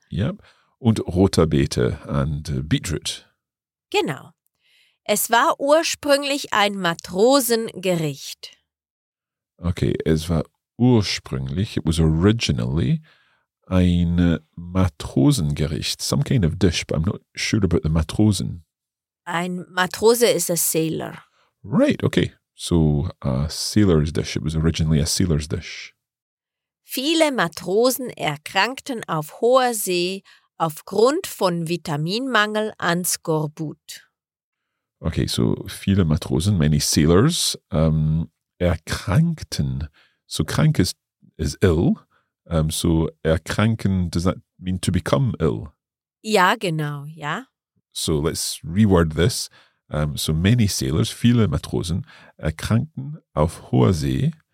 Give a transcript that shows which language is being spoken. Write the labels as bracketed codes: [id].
[de] Yep. Und roter Beete [en] and beetroot. [de] Genau. Es war ursprünglich ein Matrosengericht. Okay, es war ursprünglich, [en] it was originally, [de] ein Matrosengericht. [en] Some kind of dish, but I'm not sure about the Matrosen. [de] Ein Matrose [en] is a sailor. Right, okay. So a sailor's dish, it was originally a sailor's dish. [de] Viele Matrosen erkrankten auf hoher See aufgrund von Vitaminmangel an Skorbut. [en] Okay, so [de] viele Matrosen, [en] many sailors, erkrankten. So krank is ill. So erkranken, does that mean to become ill? [de] Ja, genau, ja. [en] So let's reword this. So many sailors, [de] viele Matrosen, erkrankten auf hoher See.